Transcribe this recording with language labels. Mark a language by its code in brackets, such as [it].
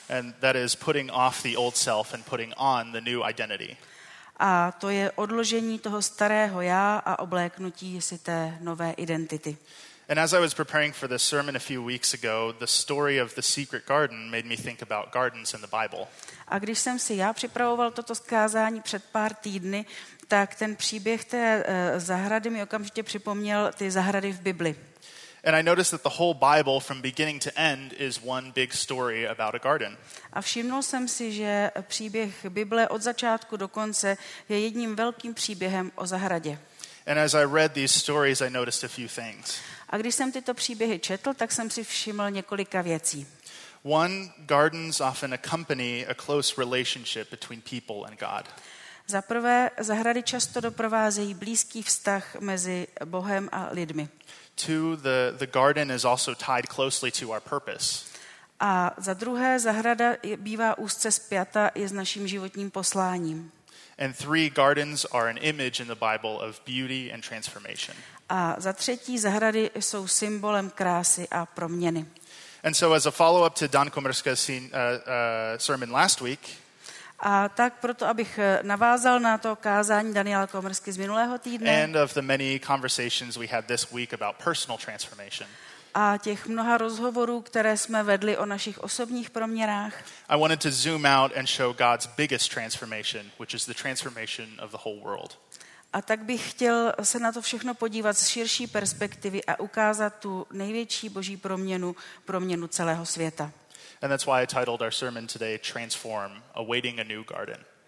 [en] And that is putting off the old self and putting on the new identity. [cs] A to je odložení toho starého já a obléknutí si té nové identity. [en] And as I was preparing for this sermon a few weeks ago, the story of the secret garden made me think about gardens in the Bible. [cs] A když jsem si já připravoval toto kázání před pár týdny, tak ten příběh té zahrady mi okamžitě připomněl ty zahrady v Bibli. [en] And I noticed that the whole Bible from beginning to end is one big story about a garden. [cs] A všimnul jsem si, že příběh Bible od začátku do konce je jedním velkým příběhem o zahradě. [en] And as I read these stories, I noticed a few things. [cs] A když jsem tyto příběhy četl, tak jsem si všiml několika věcí. [en] One, gardens often accompany a close relationship between people and God. [cs] Za prvé, zahrady často doprovázejí blízký vztah mezi Bohem a lidmi. [en] Two, the garden is also tied closely to our purpose. [cs] A za druhé, zahrada bývá úzce spjata i s naším životním posláním. [en] And three, gardens are an image in the Bible of beauty and transformation. [cs] A za třetí, zahrady jsou symbolem krásy a proměny. [en] And so as a follow-up to Don Komorska's sermon last week, [cs] a tak proto, abych navázal na to kázání Daniela Komorsky z minulého týdne. [en] And of the many conversations we had this week about personal transformation. [cs] A těch mnoha rozhovorů, které jsme vedli o našich osobních proměnách. [en] I wanted to zoom out and show God's biggest transformation, which is the transformation of the whole world. [cs] A tak bych chtěl se na to všechno podívat z širší perspektivy a ukázat tu největší boží proměnu, proměnu celého světa. [en] And that's why I titled our sermon today, Transform, Awaiting a New Garden.